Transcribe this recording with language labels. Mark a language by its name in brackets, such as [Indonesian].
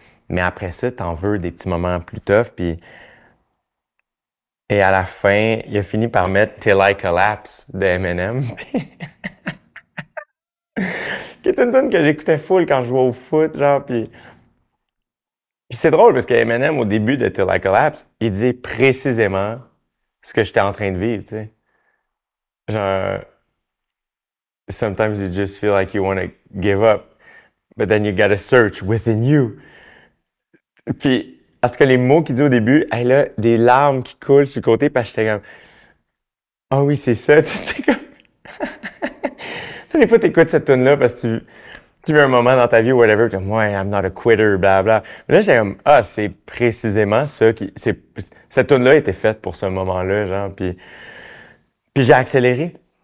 [French] Mais après ça, t'en veux des petits moments plus tough, puis... Et à la fin, il a fini par mettre « Till I Collapse » de Eminem. Qui est une tune que j'écoutais full quand je jouais au foot, genre, puis... Puis c'est drôle, parce que Eminem, au début de « Till I Collapse », il dit précisément ce que j'étais en train de vivre, tu sais. [English] Genre, sometimes you just feel like you want to give up, but then you got to search within you. [French] Puis, en tout cas, les mots qu'il dit au début, hey, là, des larmes qui coulent sur le côté, parce que j'étais comme, ah oh, oui, c'est ça, tu sais, comme... Tu sais, des fois, t'écoutes cette tune-là parce que tu veux un moment dans ta vie, whatever, tu es comme, ouais, [English] I'm not a quitter, [French] blablabla. Mais là, j'étais comme, ah, c'est précisément ça qui... Cette tune-là était faite pour ce moment-là, genre, puis j'ai accéléré.